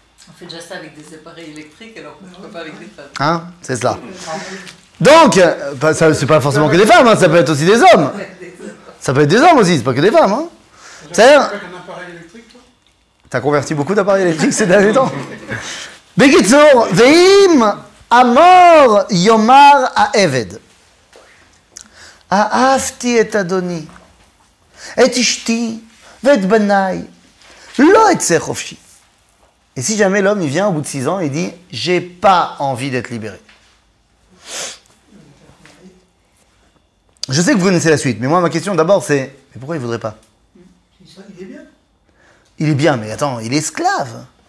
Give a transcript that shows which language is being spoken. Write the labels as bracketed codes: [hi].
[fr] On fait déjà ça avec des appareils électriques alors qu'on ne peut pas avec des femmes. Hein, c'est cela. Donc, ce n'est pas forcément que des femmes, hein, ça peut être aussi des hommes. Ça peut être des hommes aussi, ce n'est pas que des femmes. Hein. C'est-à-dire... Tu as un appareil électrique, toi ? Tu as converti beaucoup d'appareils électriques ces derniers temps. Bekitsour, Veim, Amor, Yomar, Aeved. [he] אהבתי את אדוני, את אשתי ואת בניי, לא אצא חופשי. [fr] Et si jamais l'homme, il vient au bout de 6 ans, il dit, j'ai pas envie d'être libéré. Je sais que vous connaissez la suite, mais moi, ma question d'abord, c'est, mais pourquoi il voudrait pas? Il est bien. Il est bien, mais attends, il est esclave.